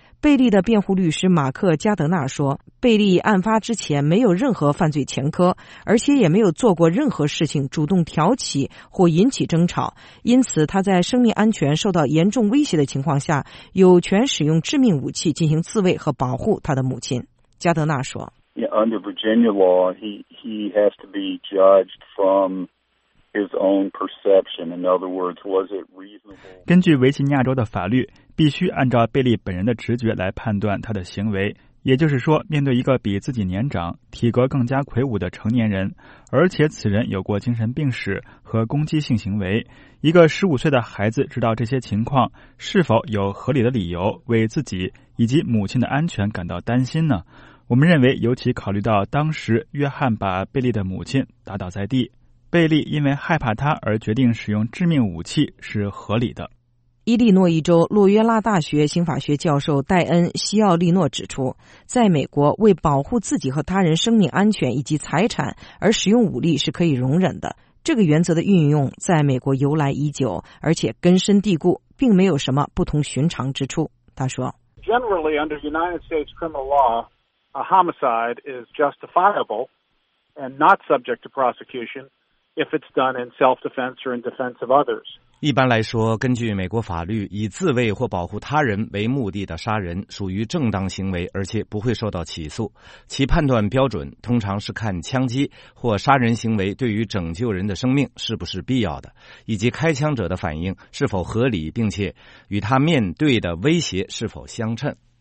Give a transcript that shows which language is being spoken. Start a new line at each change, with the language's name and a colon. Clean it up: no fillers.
Chinese: 贝利的辩护律师马克·加德纳说，贝利案发之前没有任何犯罪前科，而且也没有做过任何事情主动挑起或引起争吵，因此他在生命安全受到严重威胁的情况下有权使用致命武器进行自卫和保护他的母亲。加德纳说，
English: yeah, Under Virginia law, he has to be judged from his own perception. In other words, was it reasonable?
Chinese: 根据维吉尼亚州的法律，必须按照贝利本人的直觉来判断他的行为，也就是说，面对一个比自己年长、体格更加魁梧的成年人，而且此人有过精神病史和攻击性行为，一个15岁的孩子知道这些情况，是否有合理的理由为自己以及母亲的安全感到担心呢？我们认为，尤其考虑到当时约翰把贝利的母亲打倒在地，贝利因为害怕他而决定使用致命武器是合理的。伊利诺伊州洛约拉大学刑法学教授戴恩·西奥利诺指出，在美国，为保护自己和他人生命安全以及财产而使用武力是可以容忍的。这个原则的运用在美国由来已久，而且根深蒂固，并没有什么不同寻常之处。他说
English: ：“Generally, under United States criminal law, a homicide is justifiable and not subject to prosecution if it's done in self-defense or in defense of others.”
Chinese: 一般来说，根据美国法律，以自卫或保护他人为目的的杀人属于正当行为，而且不会受到起诉。其判断标准通常是看枪击或杀人行为对于拯救人的生命是不是必要的，以及开枪者的反应是否合理，并且与他面对的威胁是否相称。